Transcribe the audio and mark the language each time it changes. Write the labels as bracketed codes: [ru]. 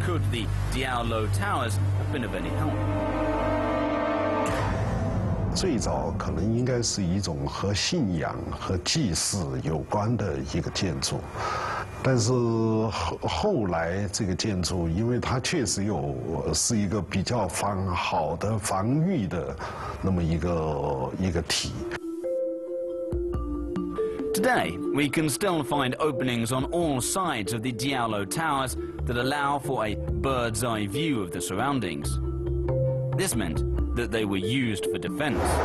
[en] the Diao Lo Towers have been of any help. [zh] 最早可能应该是一种和信仰和祭祀有关的一个建筑，但是后来这个建筑因为它确实有是一个比较防好的防御的那么一个体。 [en] Today we can still find openings on all sides of the Diao Lo Towers that allow for a bird's eye view of the surroundings. This meant that they were used for defense.